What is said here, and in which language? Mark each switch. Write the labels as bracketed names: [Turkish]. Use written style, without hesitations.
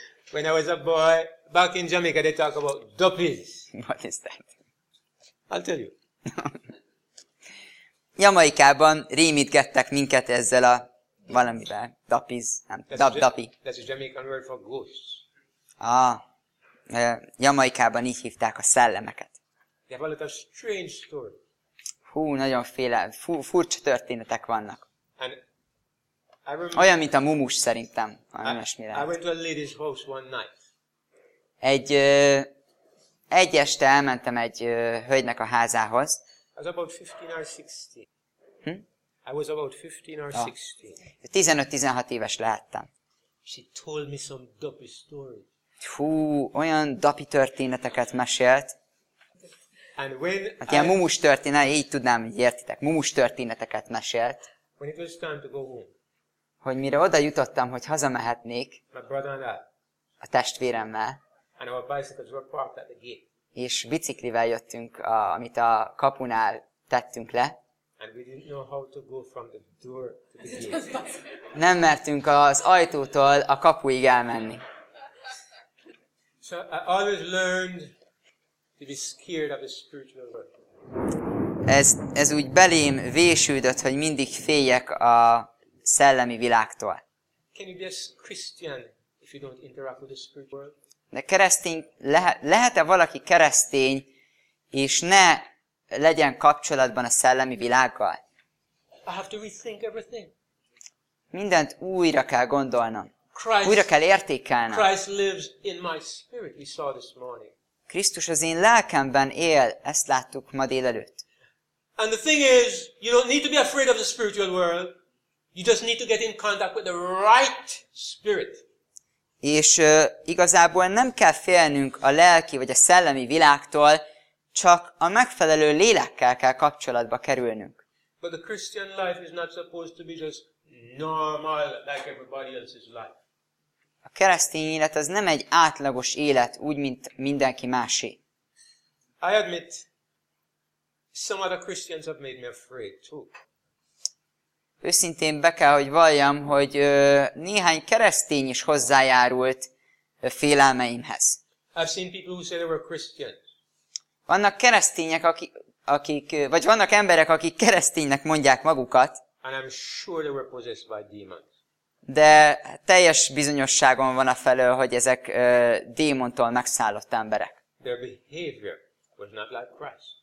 [English] When I was a boy, back in Jamaica, they talk about duppies. What is that? I'll tell you. [Hungarian] Jamaikában rémítgettek minket ezzel a valamivel. [English] Duppies. Duppi. That's a Jamaican word for ghosts. [Hungarian] Jamaikában így hívták a szellemeket. [English] They have a little strange story. [Hungarian] Furcsa történetek vannak. [English] And [Hungarian] olyan, mint a mumus szerintem. [English] I went to a lady's house one night. [Hungarian] Egy este elmentem egy hölgynek a házához. [English] I was about 15 or 16. I was about 15 or 16. [Hungarian] 15-16 éves lehettem. [English] She told me some dopey stories. [Hungarian] Olyan dopey történeteket mesélt. [English] And when [Hungarian] ilyen mumus történet, így tudnám, hogy értitek. Mumus történeteket mesélt. [English] When it was time to go home, [Hungarian] hogy mire oda jutottam, hogy hazamehetnék a testvéremmel, [English] And our bicycles were parked at the gate. [Hungarian] És biciklivel jöttünk, amit a kapunál tettünk le. [English] And we didn't know how to go from the door to the gate. [Hungarian] Nem mertünk az ajtótól a kapuig elmenni. [English] So I always learned to be scared of the spiritual world. [Hungarian] Ez úgy belém vésődött, hogy mindig féljek a szellemi világtól. [English] Can you be a Christian if you don't interact with the spiritual world? [Hungarian] De keresztény, lehet-e valaki keresztény, és ne legyen kapcsolatban a szellemi világgal? [English] I have to rethink everything. [Hungarian] Mindent újra kell gondolnom. Christ, újra kell értékelnem. [English] Christ lives in my spirit, we saw this morning. [Hungarian] Krisztus az én lelkemben él, ezt láttuk ma délelőtt. [English] And the thing is, you don't need to be afraid of the spiritual world. You just need to get in contact with the right spirit. [Hungarian] És igazából nem kell félnünk a lelki vagy a szellemi világtól, csak a megfelelő lélekkel kell kapcsolatba kerülnünk. [English] But the Christian life is not supposed to be just normal like everybody else's life. [Hungarian] A keresztény élet az nem egy átlagos élet, úgy mint mindenki másé. [English] I admit, some other Christians have made me afraid too. [Hungarian] Őszintén be kell, hogy valljam, hogy néhány keresztény is hozzájárult félelmeimhez. [English] I've seen people who say they were Christians. [Hungarian] Vannak keresztények, vagy vannak emberek, akik kereszténynek mondják magukat. [English] And I'm sure they were possessed by demons. [Hungarian] De teljes bizonyosságom van a felől, hogy ezek démontól megszállott emberek. [English] Their behavior was not like Christ.